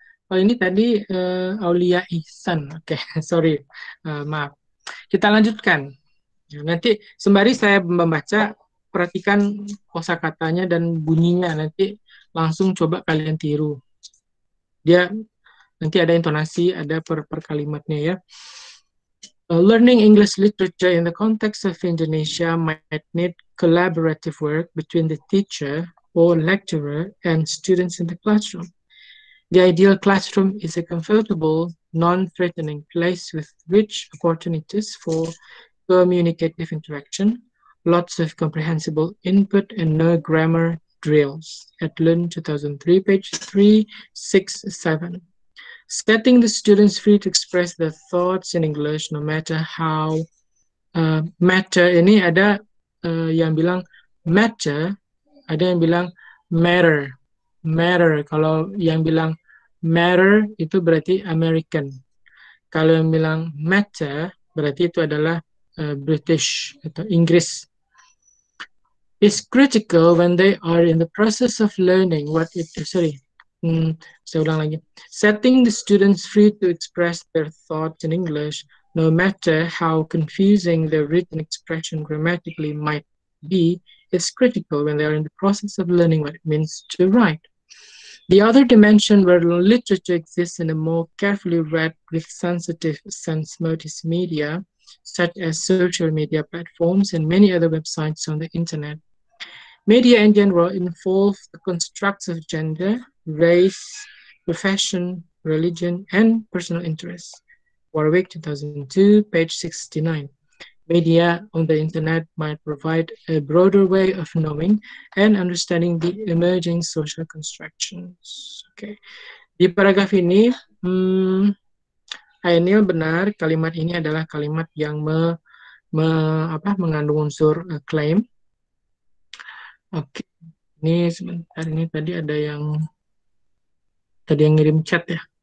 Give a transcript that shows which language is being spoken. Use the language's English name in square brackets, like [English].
[Indonesian] Kalau ini tadi Aulia Ihsan. [English] Okay, sorry, [Indonesian] maaf. Kita lanjutkan. Nanti sembari saya membaca, perhatikan kosakatanya dan bunyinya. Nanti langsung coba kalian tiru. Dia nanti ada intonasi, ada per kalimatnya ya. [English] Learning English literature in the context of Indonesia might need collaborative work between the teacher or lecturer and students in the classroom. The ideal classroom is a comfortable, non-threatening place with rich opportunities for communicative interaction, lots of comprehensible input, and no grammar drills. At Learn 2003, page 367. Setting the students free to express their thoughts in English, no matter how matter. [Indonesian] Ini ada yang bilang matter, ada yang bilang matter. Matter, kalau yang bilang matter itu berarti American. Kalau yang bilang matter berarti itu adalah British atau Inggris. [English] It's critical when they are in the process of learning what it is. Sorry. [Indonesian] Saya ulang lagi. [English] Setting the students free to express their thoughts in English, no matter how confusing their written expression grammatically might be, is critical when they are in the process of learning what it means to write. The other dimension where literature exists in a more carefully read with sensitive sense mode is media, such as social media platforms and many other websites on the internet. Media in general involve the constructs of gender, race, profession, religion, and personal interests. Warwick, 2002, page 69. Media on the internet might provide a broader way of knowing and understanding the emerging social constructions. Okay. [Indonesian] Di paragraf ini, Ainil benar, kalimat ini adalah kalimat yang mengandung unsur claim. Oke, ini sebentar, ini tadi ada yang ngirim chat ya.